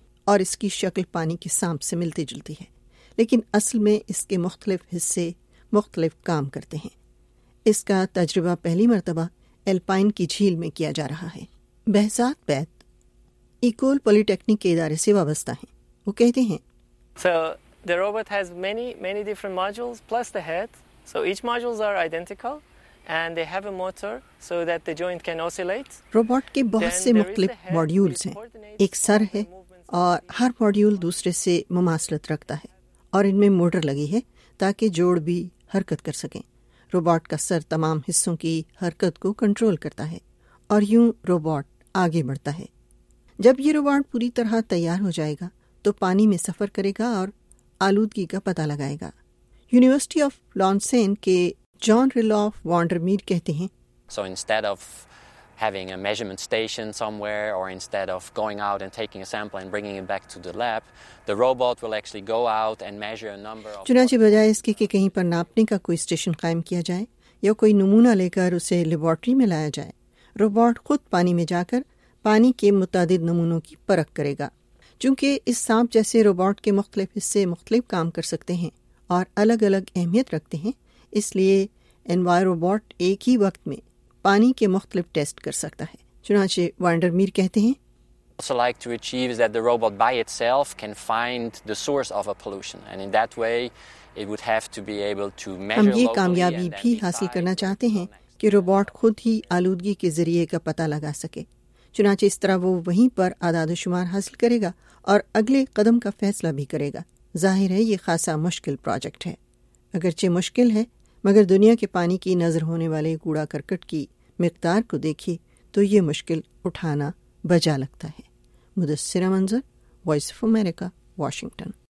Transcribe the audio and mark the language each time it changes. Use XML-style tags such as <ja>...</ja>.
<ur>اور اس کی شکل پانی کے سانپ سے ملتی جلتی ہے، لیکن اصل میں اس کے مختلف حصے مختلف کام کرتے ہیں۔ اس کا تجربہ پہلی مرتبہ الپائن کی جھیل میں کیا جا رہا ہے۔ بہزاد بیت ایکول پولی ٹیکنک کے ادارے سے وابستہ ہیں، وہ کہتے ہیں</ur> <en>The robot has many different modules plus the head. So each modules are identical and they have a motor so that the joint can oscillate.</en> <ur>Robot کے بہت سے مختلف ماڈیولز ہیں، ایک سر ہے اور ہر ماڈیول دوسرے سے مماثلت رکھتا ہے اور ان میں موٹر لگی ہے تاکہ جوڑ بھی حرکت کر سکیں۔ روبوٹ کا سر تمام حصوں کی حرکت کو کنٹرول کرتا ہے اور یوں روبوٹ آگے بڑھتا ہے۔ جب یہ روبوٹ پوری طرح تیار ہو جائے گا تو پانی میں سفر کرے گا اور آلودگی کا پتہ لگائے گا۔ یونیورسٹی آف لانسین کے جان ریلوف وانڈرمیر کہتے ہیں</ur> <en>So instead of having a measurement station somewhere or instead of going out and taking a sample and bringing it back to the lab, the robot will actually go out and measure a number of</en> <ur>چنانچہ بجائے اس کے کہ کہیں پر ناپنے کا کوئی station قائم کیا جائے یا کوئی نمونہ لے کر اسے لیبورٹری میں لایا جائے، روبوٹ خود پانی میں جا کر پانی کے متعدد نمونوں کی پرکھ کرے گا۔ چونکہ اس سانپ جیسے روبوٹ کے مختلف حصے مختلف کام کر سکتے ہیں اور الگ الگ اہمیت رکھتے ہیں، اس لیے انوائروبوٹ ایک ہی وقت میں پانی کے مختلف ٹیسٹ کر سکتا ہے۔ چنانچہ وانڈرمیر کہتے ہیں</ur> <en>Also like to achieve is that the robot by itself can find the source of a pollution and in that way it would have to be able to measure</en> <ur>locally. ہم یہ کامیابی بھی حاصل کرنا چاہتے ہیں کہ روبوٹ خود ہی آلودگی کے ذریعے کا پتہ لگا سکے، چنانچہ اس طرح وہ وہیں پر اعداد و شمار حاصل کرے گا اور اگلے قدم کا فیصلہ بھی کرے گا۔ ظاہر ہے یہ خاصا مشکل پروجیکٹ ہے۔ اگرچہ مشکل ہے مگر دنیا کے پانی کی نظر ہونے والے کوڑا کرکٹ کی مقدار کو دیکھیے تو یہ مشکل اٹھانا بجا لگتا ہے۔ مدثرہ منظر، وائس آف امریکہ، واشنگٹن۔</ur>